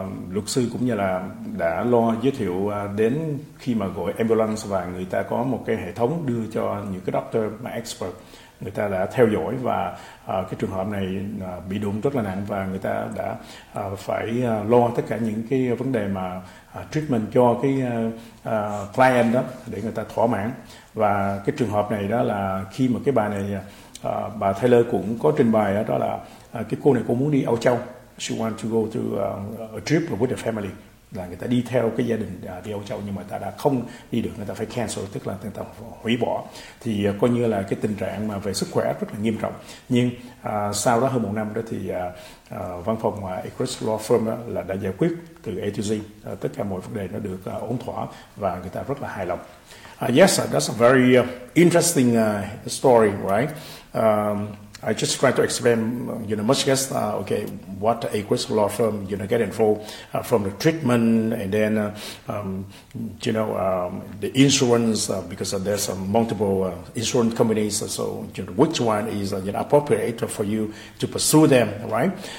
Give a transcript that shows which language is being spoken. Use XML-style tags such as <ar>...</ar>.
<vi>luật sư cũng như là đã lo giới thiệu đến khi mà gọi ambulance và người ta có một cái hệ thống đưa cho những cái doctor mà expert người ta đã theo dõi và cái trường hợp này bị đụng rất là nặng và người ta đã phải lo tất cả những cái vấn đề mà treatment cho cái client đó để người ta thỏa mãn. Và cái trường hợp này đó là khi mà cái bà này bà Taylor cũng có trình bày đó là cái cô này cũng muốn đi Âu Châu.</vi> <en>She wants to go to a trip with the family.</en> <vi>Là người ta đi theo cái gia đình đi Âu Châu nhưng mà ta đã không đi được, người ta phải cancel, tức là người ta hủy bỏ. Thì coi như là cái tình trạng mà về sức khỏe rất là nghiêm trọng. Nhưng sau đó hơn một năm đó thì văn phòng Agruss Law Firm là đã giải quyết từ A to Z. Tất cả mọi vấn đề nó được ổn thỏa và người ta rất là hài lòng.</vi> <en>Yes, that's a very interesting story, right? I just try to explain, you know, much less, okay, what Agruss law firm, you know, get involved from the treatment and then, you know, the insurance, because there's multiple insurance companies, so you know, which one is you know, appropriate for you to pursue them, right?</en>